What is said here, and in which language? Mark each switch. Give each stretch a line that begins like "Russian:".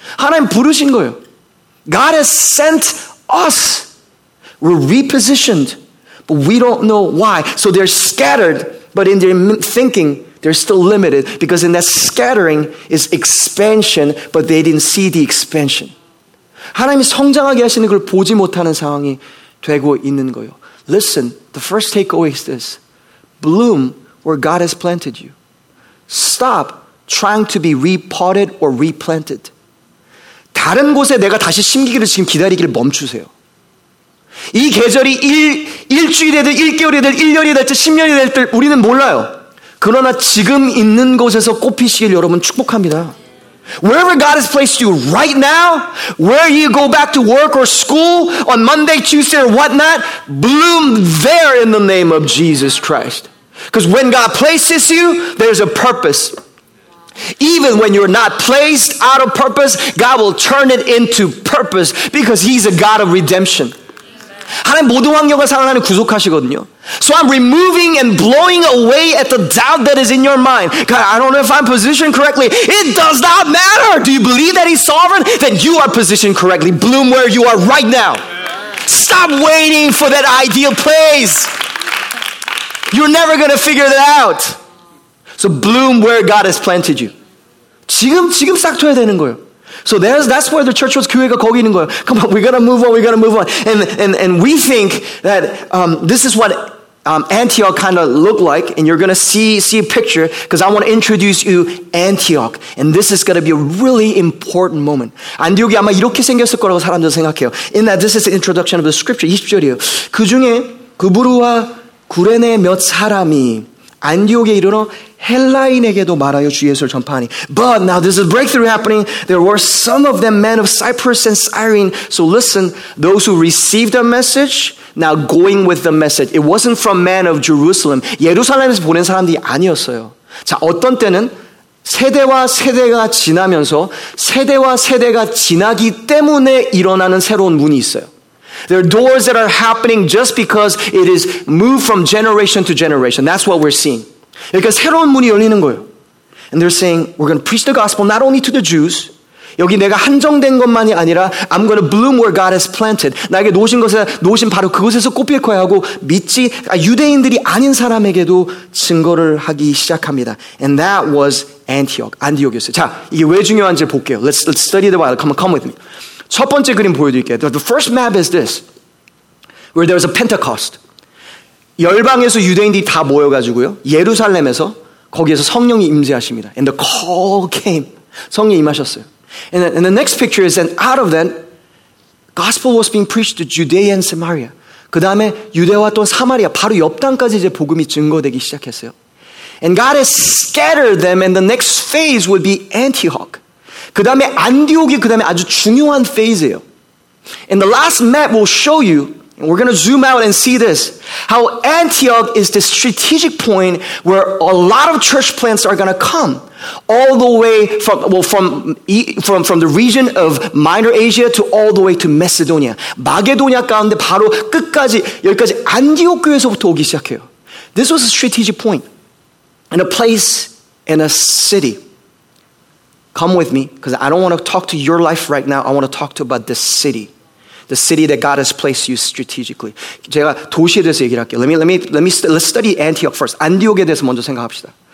Korean: 하나님 부르신 거예요.
English: God has sent us. We're repositioned, but we don't know why. So they're scattered, but in their thinking, they're still limited. Because in that scattering is expansion, but they didn't see the expansion.
Korean: 하나님이 성장하게 하시는 걸 보지 못하는 상황이 되고 있는 거예요.
English: Listen, the first takeaway is this. Bloom where God has planted you. Stop trying to be repotted or replanted.
Korean: 다른 곳에 내가 다시 심기기를 지금 기다리기를 멈추세요. 이 계절이 일주일이 되든 1개월이 되든 1년이 될지 10년이 될지 우리는 몰라요. 그러나 지금 있는 곳에서 꽃피시길 여러분 축복합니다.
English: Wherever God has placed you right now, where you go back to work or school on Monday, Tuesday, or whatnot, bloom there in the name of Jesus Christ. Because when God places you, there's a purpose. Even when you're not placed out of purpose, God will turn it into purpose because He's a God of redemption.
Korean: 하나님 모든 환경을 사랑하는 구속하시거든요.
English: So I'm removing and blowing away at the doubt that is in your mind. God, I don't know if I'm positioned correctly. It does not matter. Do you believe that He's sovereign? Then you are positioned correctly. Bloom where you are right now. Stop waiting for that ideal place. You're never going to figure that out. So bloom where God has planted you.
Korean: 지금 싹 터야 되는 거예요.
English: So that's where the church was,
Korean: 교회가 거기 있는 거예요.
English: Come on, we gotta move on. And we think that this is what Antioch kind of looked like, and you're gonna see a picture, because I want to introduce you Antioch. And this is gonna be a really important moment.
Korean: 안디옥이 아마 이렇게 생겼을 거라고 사람들은 생각해요.
English: In that, this is the introduction of the scripture,
Korean: 20절이에요. 그 중에 구브루와 구레네 몇 사람이 안디옥에 이르러 헬라인에게도 말하여 주 예수를 전파하니.
English: But now there's a breakthrough happening. There were some of them men of Cyprus and Cyrene. So listen, those who received the message, now going with the message. It wasn't from men of Jerusalem.
Korean: 예루살렘에서 보낸 사람들이 아니었어요. 자, 어떤 때는 세대와 세대가 지나면서 세대와 세대가 지나기 때문에 일어나는 새로운 문이 있어요.
English: There are doors that are happening just because it is moved from generation to generation. That's what we're seeing.
Korean: 그러니까 새로운 문이 열리는 거예요.
English: And they're saying, we're going to preach the gospel not only to the Jews.
Korean: 여기 내가 한정된 것만이 아니라,
English: I'm going to bloom where God has planted.
Korean: 나에게 놓으신 곳에, 놓으신 바로 그곳에서 꽃 필 거야 하고, 믿지, 유대인들이 아닌 사람에게도 증거를 하기 시작합니다.
English: And that was Antioch.
Korean: 안디옥이었어요. 자, 이게 왜 중요한지 볼게요.
English: Let's study the Bible. Come with me.
Korean: 첫 번째 그림 보여드릴게요.
English: The first map is this. Where there was a Pentecost.
Korean: 열방에서 유대인들이 다 모여가지고요. 예루살렘에서 거기에서 성령이 임재하십니다.
English: And the call came.
Korean: 성령이 임하셨어요.
English: And the next picture is that out of that, gospel was being preached to Judea and Samaria.
Korean: 그 다음에 유대와 또 사마리아, 바로 옆 땅까지 이제 복음이 증거되기 시작했어요.
English: And God has scattered them and the next phase would be Antioch.
Korean: 그 다음에 안디옥이 그 다음에 아주 중요한 phase예요.
English: And the last map will show you, and we're going to zoom out and see this, how Antioch is the strategic point where a lot of church plants are going to come. All the way from the region of Minor Asia to all the way to Macedonia.
Korean: 마게도니아 가운데 바로 끝까지, 여기까지 안디옥 교회에서부터 오기 시작해요.
English: This was a strategic point. And a place and a city. Come with me, because I don't want to talk to your life right now. I want to talk to about this city. The city that God has placed you strategically.
Korean: 제가 도시에 대해서 얘기를 할게요.
English: Let's study Antioch first.
Korean: 안디옥에 대해서 먼저 생각합시다.